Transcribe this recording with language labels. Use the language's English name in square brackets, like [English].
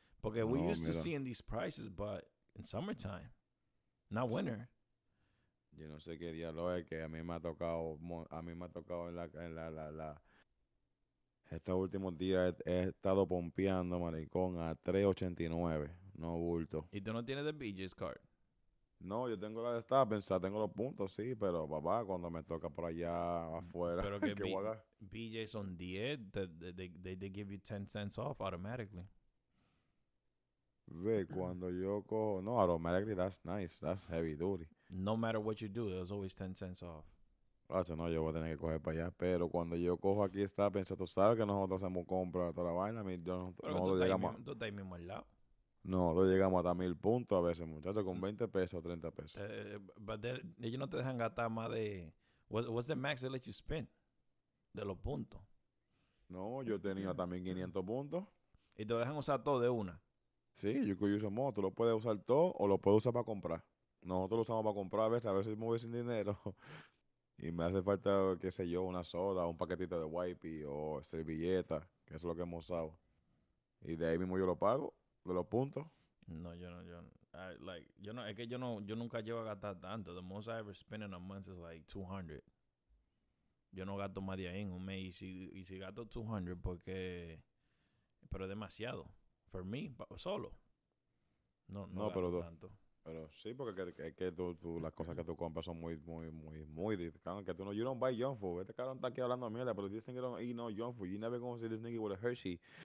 [Spanish] Porque no, [English] we used to see in these prices, but in summertime, not winter. [Spanish] Yo no sé qué diablo es que a mí me ha tocado en la estos últimos días he estado pompeando, maricón, a 3.89. No bulto. ¿Y tú no tienes [English] the BJ's card? [Spanish] No, yo tengo la de Star, pensar, tengo los puntos, sí, pero papá, cuando me toca por allá afuera, pero que BJ son 10, [English] they give you 10 cents off automatically. [Spanish] Ve, cuando yo cojo, no, [English] automatically, that's nice, that's heavy duty. No matter what you do, there's always 10 cents off. [Spanish] Gracias, no, yo voy a tener que coger para allá, pero cuando yo cojo aquí Star, pensar, tú sabes que nosotros hacemos compras toda la vaina, nosotros llegamos. Tú estás ahí mismo al lado. No, lo llegamos hasta 1,000 puntos a veces, muchachos, con 20 pesos o 30 pesos. [English] But [Spanish] ellos no te dejan gastar más de... [English] What's the max they let you spend? [Spanish] De los puntos. No, yo tenía también 500 puntos. ¿Y te lo dejan usar todo de una? [English] Sí, you could use them all. [Spanish] Tú lo puedes usar todo o lo puedes usar para comprar. Nosotros lo usamos para comprar a veces me voy sin dinero. Y me hace falta, qué sé yo, una soda, un paquetito de wipey o servilleta, que es lo que hemos usado. Y de ahí mismo yo lo pago. De los puntos. No, yo nunca llevo a gastar tanto. [English] The most I ever spend in a month is like 200. [Spanish] Yo no gasto más de ahí en un mes. Y si gasto 200, porque, pero demasiado. [English] For me, [Spanish] solo. No, pero gasto tanto. Pero sí, porque es que tú las cosas que tú compras son muy, muy, muy, muy. Que tú no, [English] you don't buy junk food. [Spanish] Este cabrón está aquí hablando mierda, pero [English] this nigga don't eat no junk food. You never gonna see this nigga with a Hershey,